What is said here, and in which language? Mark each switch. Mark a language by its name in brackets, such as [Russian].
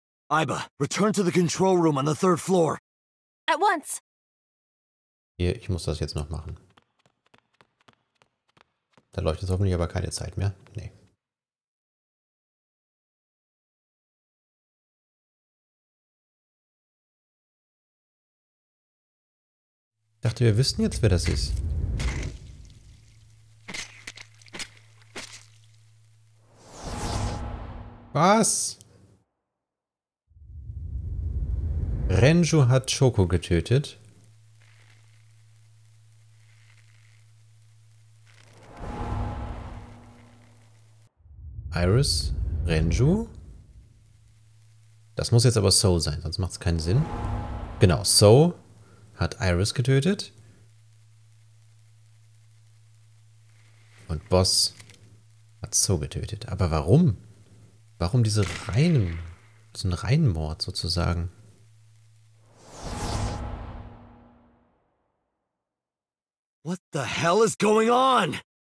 [English] Iba, return to the control room on the third floor. At once. [German] Hier, ich muss das jetzt noch machen. Da leuchtet hoffentlich aber keine Zeit mehr. Nee. Ich dachte, wir wüssten jetzt, wer das ist. Was? Renju hat Choco getötet. Iris, Renju. Das muss jetzt aber So sein, sonst macht es keinen Sinn. Genau, So hat Iris getötet. Und Boss hat So getötet. Aber warum? Warum diese reinen, so ein Reinmord sozusagen? [English] What the hell is going on?